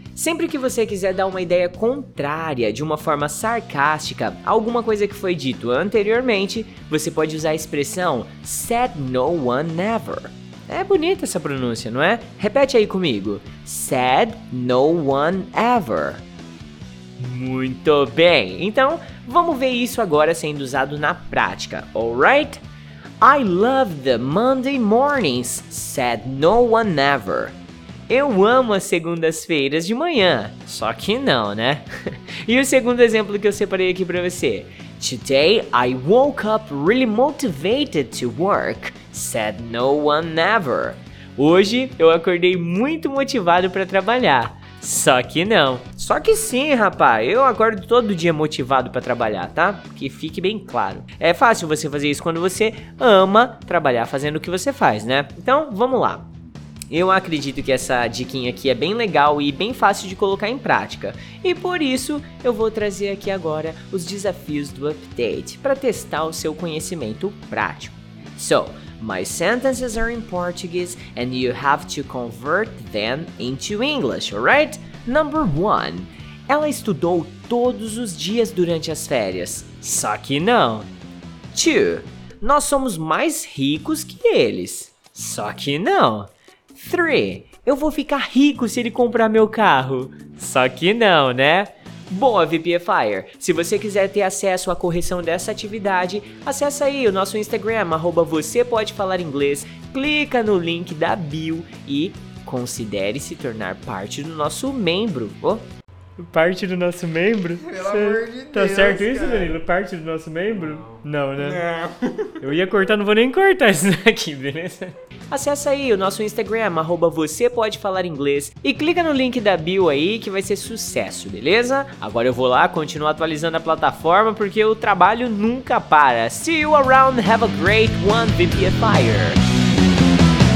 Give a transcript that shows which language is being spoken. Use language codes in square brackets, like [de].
[pt] Sempre que você quiser dar uma ideia contrária, de uma forma sarcástica, alguma coisa que foi dito anteriormente, você pode usar a expressão said no one ever. É bonita essa pronúncia, não é? Repete aí comigo. Said no one ever. Muito bem! Então, vamos ver isso agora sendo usado na prática, alright? [en] I love the Monday mornings, said no one ever. [pt] Eu amo as segundas-feiras de manhã, só que não, né? E o segundo exemplo que eu separei aqui pra você. [en] Today I woke up really motivated to work, said no one ever. [pt] Hoje eu acordei muito motivado pra trabalhar, só que não. Só que sim, rapaz, eu acordo todo dia motivado pra trabalhar, tá? Que fique bem claro. É fácil você fazer isso quando você ama trabalhar fazendo o que você faz, né? Então, vamos lá. Eu acredito que essa diquinha aqui é bem legal e bem fácil de colocar em prática. E por isso, eu vou trazer aqui agora os desafios do update, para testar o seu conhecimento prático. [en] So, my sentences are in Portuguese and you have to convert them into English, alright? Number 1. [pt] Ela estudou todos os dias durante as férias. Só que não. 2. Nós somos mais ricos que eles. Só que não. 3. Eu vou ficar rico se ele comprar meu carro. Só que não, né? Boa, VPFire! Se você quiser ter acesso à correção dessa atividade, acessa aí o nosso Instagram, @vocêpodefalaringlês, clica no link da bio e considere se tornar parte do nosso membro. Oh. Parte do nosso membro? Pelo amor de Deus, tá certo, cara. Isso, Danilo? Parte do nosso membro? Não, né? Não. Eu ia cortar, não vou nem cortar isso daqui, beleza? Acesse aí o nosso Instagram, @vocêpodefalaringlês, e clica no link da bio aí que vai ser sucesso, beleza? Agora eu vou lá continuar atualizando a plataforma porque o trabalho nunca para. [en] See you around, have a great one, VPFire!